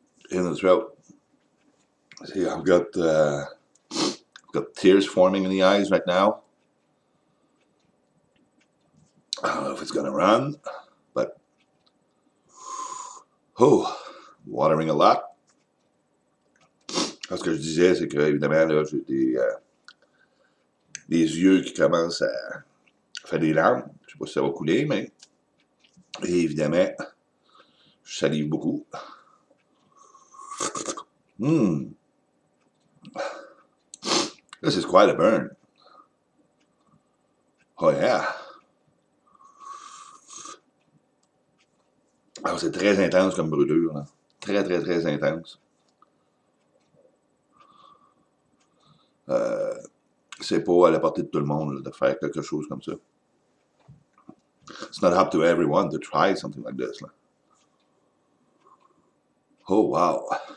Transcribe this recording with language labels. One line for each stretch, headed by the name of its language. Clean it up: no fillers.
English: In the throat. See, I've got tears forming in the eyes right now. I don't know if it's gonna run, but oh, watering a lot.
French: Ce que je disais, c'est que évidemment là, j'ai des yeux qui commencent à faire des larmes. Je sais pas si ça va couler, mais et évidemment, je salive beaucoup.
English: This is quite a burn. Oh yeah.
French: Alors, c'est très intense comme brûlure. Hein. Très, très, très intense. C'est pas à la portée de tout le monde là, de faire quelque chose comme ça.
English: It's not up to everyone to try something like this. Là. Oh wow.